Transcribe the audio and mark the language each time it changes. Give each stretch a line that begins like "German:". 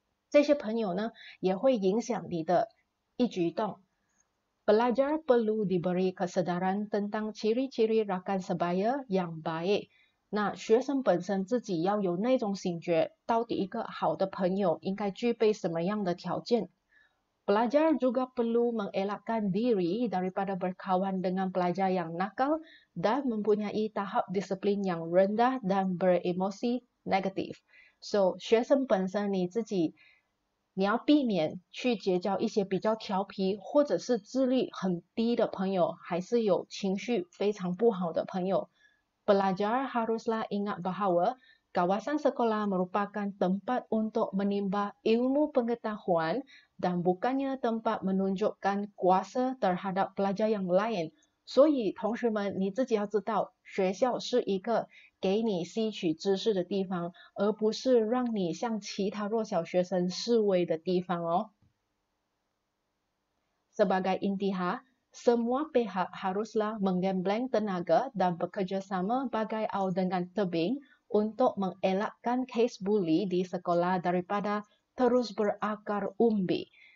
Chinese: 这些朋友呢，也会影响你的一举一动。
Malay: Belajar perlu diberi kesedaran tentang ciri-ciri rakan sebaya yang baik。
Chinese: 那学生本身自己要有那种醒觉，到底一个好的朋友应该具备什么样的条件？
Malay: Belajar juga perlu mengelakkan diri daripada berkawan dengan pelajar yang nakal dan mempunyai tahap disiplin yang rendah dan beremosi negatif.
Chinese: So, 学生本身你自己，你要避免去结交一些比较调皮或者是智力很低的朋友，还是有情绪非常不好的朋友。
Malay: Belajar haruslah ingat bahawa kawasan sekolah merupakan tempat untuk menimba ilmu pengetahuan dan bukannya tempat menunjukkan kuasa terhadap pelajar yang lain.
Chinese: 所以，同学们，你自己要知道，学校是一个给你吸取知识的地方，而不是让你向其他弱小学生示威的地方哦。
Malay: Sebagai intihar, semua pihak haruslah menggembleng tenaga dan bekerjasama bagai awan dengan tebing untuk mengelakkan kes buli di sekolah daripada terus berakar umbi.